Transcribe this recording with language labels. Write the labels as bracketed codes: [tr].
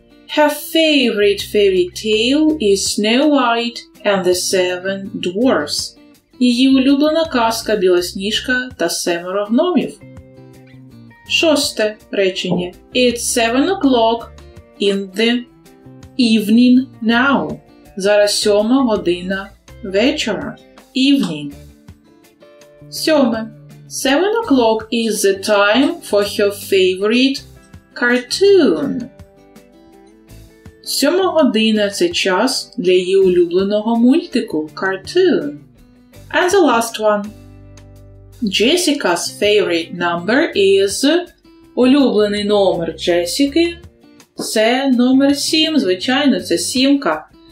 [en] Her favorite fairy tale is Snow White and the Seven Dwarfs. [uk] Її улюблена казка Білосніжка та семеро гномів. Шосте речення. [en] It's 7 o'clock in the evening now. [uk] Зараз 7 година вечора. Evening. Сьоме. [en] 7 o'clock is the time for her favorite cartoon. [uk] 7 година – це час для її улюбленого мультику – cartoon. [en] And the last one. Jessica's favorite number is... [uk] Улюблений номер Джесіки – це номер 7, звичайно, це сімка.